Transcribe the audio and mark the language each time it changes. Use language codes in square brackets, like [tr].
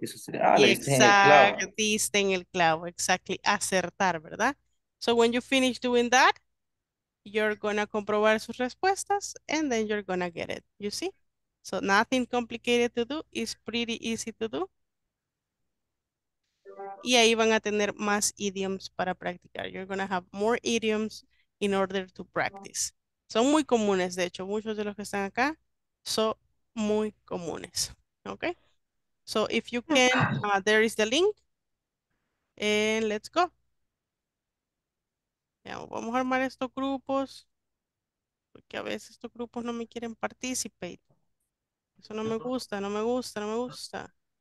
[es] Exacto, diste en el clavo. Exactly, acertar, ¿verdad? [en] So when you finish doing that, you're gonna [es] comprobar sus respuestas [en] and then you're gonna get it, you see? So nothing complicated to do, it's pretty easy to do. [es] Y ahí van a tener más idioms para practicar. [en] You're gonna have more idioms in order to practice. [es] Son muy comunes, de hecho, muchos de los que están acá son muy comunes, okay? [en] So if you can, there is the link, and let's go. [es] Ya, vamos a armar estos grupos, porque a veces estos grupos no me quieren participate. Eso no me gusta, no me gusta, no me gusta.